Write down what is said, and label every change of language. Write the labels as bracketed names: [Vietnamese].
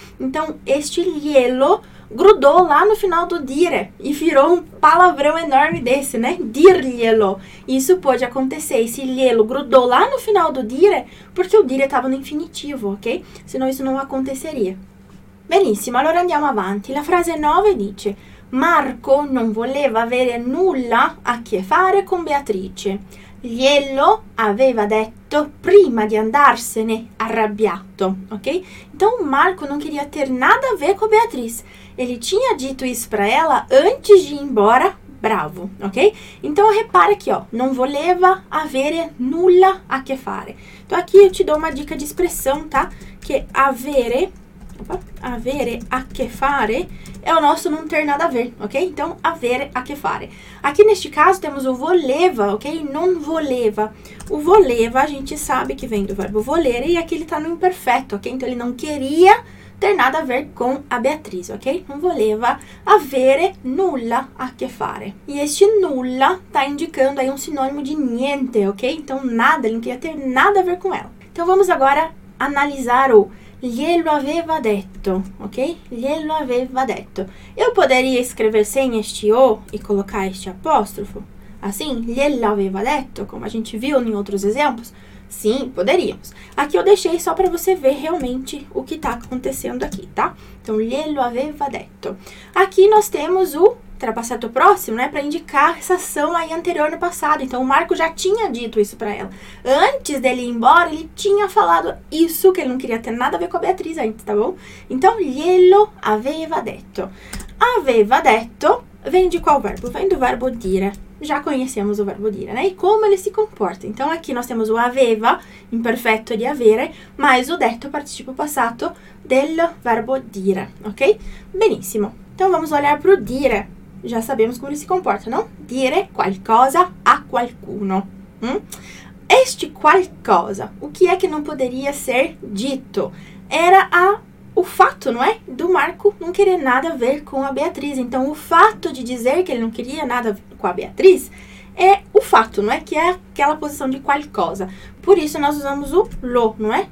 [Portuguese] Então, este lielo grudou lá no final do dire e virou um palavrão enorme desse, né? Dirlielo. Isso pode acontecer. Esse lielo grudou lá no final do dire porque o dire estava no infinitivo, ok? Senão isso não aconteceria. [Italian] Benissimo, allora andiamo avanti. La frase 9 dice: Marco non voleva avere nulla a che fare con Beatrice. Glielo aveva detto prima di andarsene arrabbiato, ok? [Portuguese] Então, Marco não queria ter nada a ver com Beatriz. Ele tinha dito isso para ela antes de ir embora, bravo, ok? Então, repara aqui, ó. [Italian] Non voleva avere nulla a che fare. [Portuguese] Então, aqui eu te dou uma dica de expressão, tá? Que avere, [Italian] avere a che fare [Portuguese] é o nosso não ter nada a ver, ok? Então, [Italian] avere a che fare. [Portuguese] Aqui neste caso temos o voleva, ok? [Italian] Non voleva. [Portuguese] O voleva a gente sabe que vem do verbo volere e aqui ele tá no imperfeito, ok? Então, ele não queria ter nada a ver com a Beatriz, ok? [Italian] Non voleva avere nulla a che fare. [Portuguese] E este nulla tá indicando aí um sinônimo de niente, ok? Então, nada, ele não queria ter nada a ver com ela. Então, vamos agora analisar o [Italian] glielo aveva detto, [Portuguese] ok? [Italian] Glielo aveva detto. [Portuguese] Eu poderia escrever sem este o e colocar este apóstrofo? Assim, [Italian] glielo aveva detto, [Portuguese] como a gente viu em outros exemplos? Sim, poderíamos. Aqui eu deixei só para você ver realmente o que está acontecendo aqui, tá? [Italian] Então, glielo aveva detto. [Portuguese] Aqui nós temos o trapassato próximo, né? Para indicar essa ação aí anterior no passado. Então, o Marco já tinha dito isso para ela. Antes dele ir embora, ele tinha falado isso, que ele não queria ter nada a ver com a Beatriz ainda, tá bom? Então, [Italian] glielo aveva detto. Aveva detto [Portuguese] vem de qual verbo? Vem do verbo dire. Já conhecemos o verbo dire, né? E como ele se comporta. Então, aqui nós temos o aveva, imperfeito de avere, mais o detto, [Italian] participio passato del verbo dire, [Portuguese] ok? Benissimo. Então, vamos olhar para o dire. Já sabemos como ele se comporta, não? [Italian] Dire qualcosa a qualcuno. [Portuguese] Este qualcosa, o que é que não poderia ser dito? Era o fato, não é? Do Marco não querer nada a ver com a Beatriz. Então, o fato de dizer que ele não queria nada a ver com a Beatriz é o fato, não é? Que é aquela posição de qualcosa. Por isso, nós usamos o lo, não é?